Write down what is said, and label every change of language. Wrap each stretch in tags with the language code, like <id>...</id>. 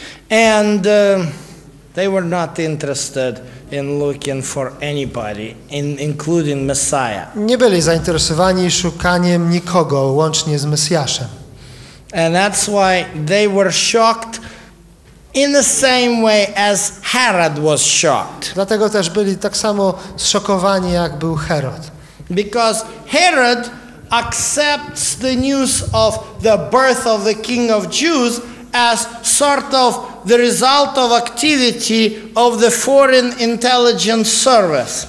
<en>And they were not interested in looking for anybody, including Messiah.</en> <pl>Nie byli zainteresowani szukaniem nikogo, łącznie z Mesjaszem.</pl> <en>And that's why they were shocked in the same way as Herod was shocked.</en> <pl>Dlatego też byli tak samo zszokowani, jak był Herod.</pl> <en>Because Herod accepts the news of the birth of the King of Jews as sort of the result of activity of the foreign intelligence service.</en>